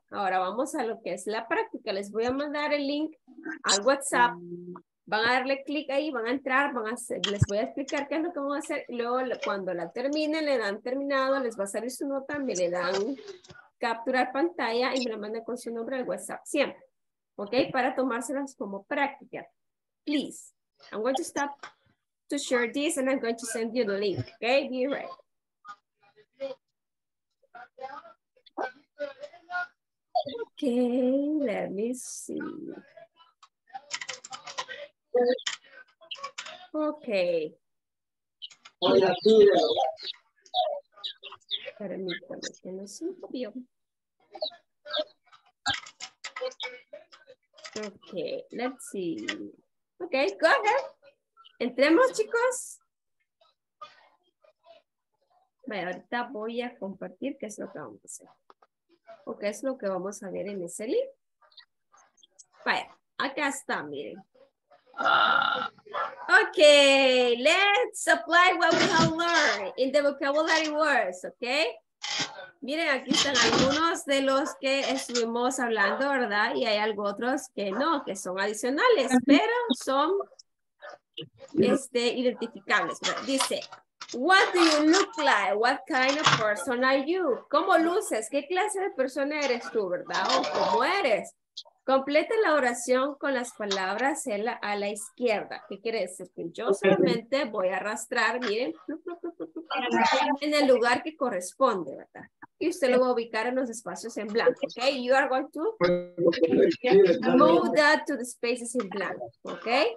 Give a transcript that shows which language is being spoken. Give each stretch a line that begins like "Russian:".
Spanish: Ahora vamos a lo que es la práctica. Les voy a mandar el link al WhatsApp. Van a darle clic ahí, van a entrar, les voy a explicar qué es lo que vamos a hacer. Luego, cuando la terminen, le dan terminado, les va a salir su nota, me le dan capturar pantalla y me la mandan con su nombre al WhatsApp, siempre. ¿Ok? Para tomárselas como práctica.
English: Please, I'm going to stop to share this and I'm going to send you the link. ¿Ok? Be right. Okay, let me see. Okay.
Spanish: Permítame que no se vio.
English: Okay, let's see. Okay, go ahead.
Spanish: Entremos, chicos. Vale, ahorita voy a compartir qué es lo que vamos a hacer. ¿O qué es lo que vamos a ver en ese link? Vale, acá está, miren.
English: Okay, let's apply what we have learned in the vocabulary words, okay?
Spanish: Miren, aquí están algunos de los que estuvimos hablando, ¿verdad? Y hay algo otros que no, que son adicionales, pero son identificables. ¿Verdad? Dice...
English: What do you look like? What kind of person are you?
Spanish: ¿Cómo luces? ¿Qué clase de persona eres tú, verdad? ¿O cómo eres? Completa la oración con las palabras a la izquierda. ¿Qué quiere decir? Que yo solamente voy a arrastrar, miren, en el lugar que corresponde, ¿verdad? Y usted lo va a ubicar en los espacios en blanco, ¿ok?
English: You are going to move that to the spaces in blank, ¿ok?